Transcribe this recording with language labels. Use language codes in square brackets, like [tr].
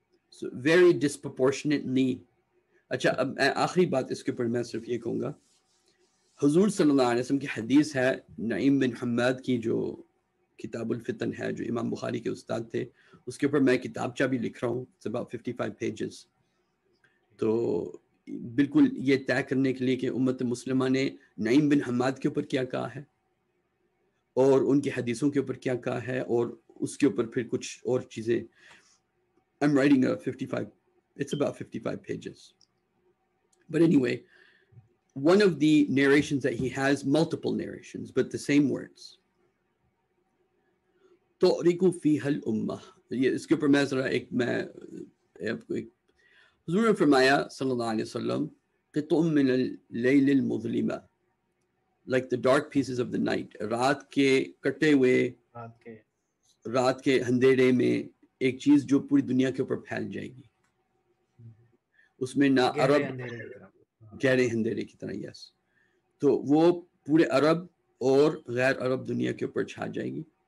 [en] So very disproportionately. [ur] اچھا, اب میں آخری بات اس کے اوپر میں صرف یہ کہوں گا, حضور صلی اللہ علیہ وسلم کی حدیث ہے نعیم بن حماد کی, جو کتاب الفتن ہے, جو امام بخاری کے استاد تھے, اس کے اوپر میں کتابچہ بھی لکھ رہا ہوں, [en] It's about 55 pages. [ur] تو بالکل یہ طے کرنے کے لیے کہ امت مسلمہ نے نعیم بن حماد کے اوپر کیا کہا ہے, اور ان کی حدیثوں کے اوپر کیا کہا ہے, اور اس کے اوپر پھر کچھ اور چیزیں. [en] I'm writing a 55, it's about 55 pages. But anyway, one of the narrations that he has, multiple narrations, but the same words. [ar] تُعْرِقُ فِيهَا الْأُمَّةِ. [ur] اس کے اوپر میں ذرا ایک, میں آپ کو ایک, حضور نے فرمایا صلی اللہ علیہ وسلم, [ar] قطع من اللیل المظلمة, [en] like the dark pieces of the night, [ur] رات کے کٹے ہوئے, رات کے اندھیرے میں ایک چیز جو پوری دنیا کے اوپر پھیل جائے گی, اس میں نہ عرب گہرے اندھیرے کی طرح, یس, تو وہ پورے عرب اور غیر عرب دنیا کے اوپر چھا جائے گی.